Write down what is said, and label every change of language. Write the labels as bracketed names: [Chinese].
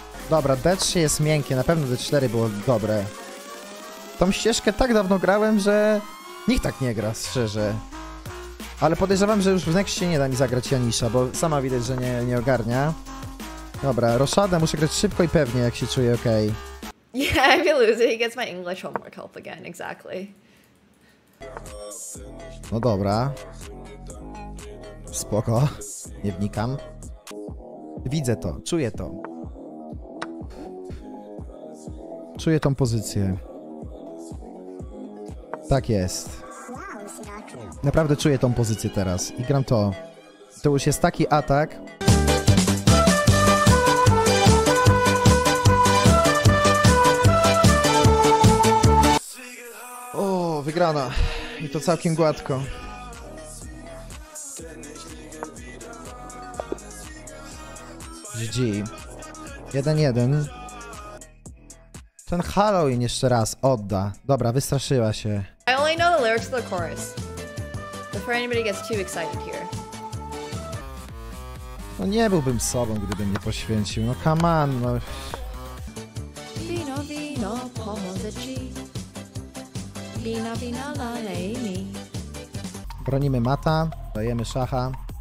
[Polish] Dobra, D3 jest miękkie, na pewno D4 było dobre. Tą ścieżkę tak dawno grałem, że nikt tak nie gra, szczerze. Ale podejrzewam, że już w nextie nie da mi zagrać Janisza, bo sama widać, że nie ogarnia. Dobra, Roszadę muszę grać szybko i pewnie, jak się czuję, okej. [English] Okay. Yeah, if you lose it, he gets my English homework help again, exactly. [Polish] No dobra. Spoko, nie wnikam. Widzę to, czuję to. Czuję tą pozycję. Tak jest. Naprawdę czuję tą pozycję teraz. I gram to. To już jest taki atak. O, wygrana. I to całkiem gładko. GG. 1-1. Ten Halloween jeszcze raz odda. Dobra, wystraszyła się. [English] I only know the lyrics of the chorus. Before anybody gets too excited here. [Polish] No nie byłbym sobą, gdybym nie poświęcił. [English] No come on, no. [Polish] Vino, vino. pomoże ci. Wina, wina, lalej mi. Bronimy mata, dajemy szacha.